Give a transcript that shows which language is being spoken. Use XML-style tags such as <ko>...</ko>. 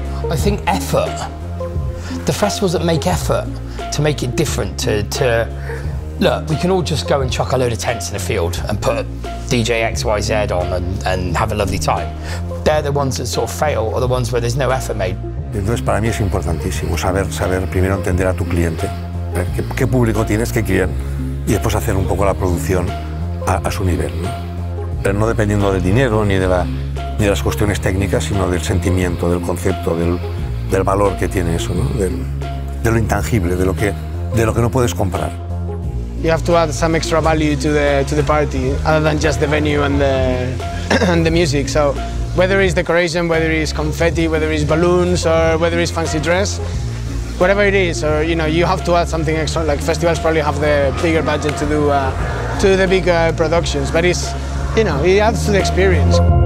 <en>I think effort, the festivals that make effort to make it different to look, we can all just go and chuck a load of tents in a field and put DJ XYZ on and have a lovely time. They're the ones that sort of fail or the ones where there's no effort made.</en> <es>Entonces para mí es importantísimo saber primero entender a tu cliente, qué público tienes, qué quieren, y después hacer un poco la producción a su nivel, ¿no? Pero no dependiendo del dinero ni de las cuestiones técnicas, sino del sentimiento, del concepto, del valor que tiene eso, ¿no? De lo intangible, de lo que no puedes comprar.</es> <en>You have to add some extra value to the party other than just the venue and the music. So whether it's decoration, whether it's confetti, whether it's balloons, or whether it's fancy dress, whatever it is, or you know, you have to add something extra. Like festivals probably have the bigger budget to do the bigger productions, but it's, you know, it adds to the experience.</en>